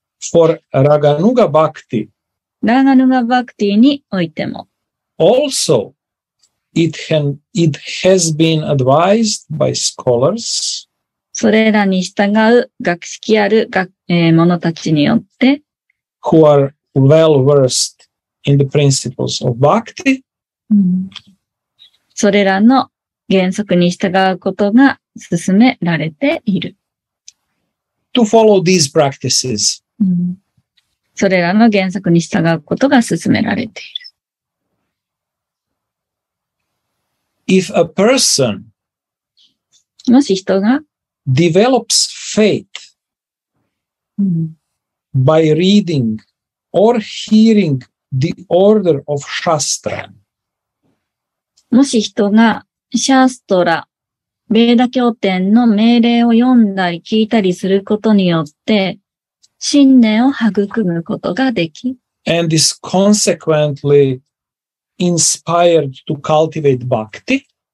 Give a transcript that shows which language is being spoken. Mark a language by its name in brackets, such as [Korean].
[English] For Raganuga Bhakti, [Japanese] Raganuga Bhakti においても。 [English] Also, it has been advised by scholars. [Japanese] それらに従う学識ある者たちによって、 [English] who are well-versed in the principles of bhakti. [Japanese] それらの原則に従うことが勧められている。 [English] To follow these practices. [Japanese] それらの原則に従うことが勧められている。 [English] If a person [Japanese] もし人が [English] develops faith by reading or hearing the order of Shastra. [Japanese] もし人がシャストラ、ベーダ経典の命令を読んだり聞いたりすることによって、信念を育むことができ。 [English] And is consequently inspired to cultivate bhakti.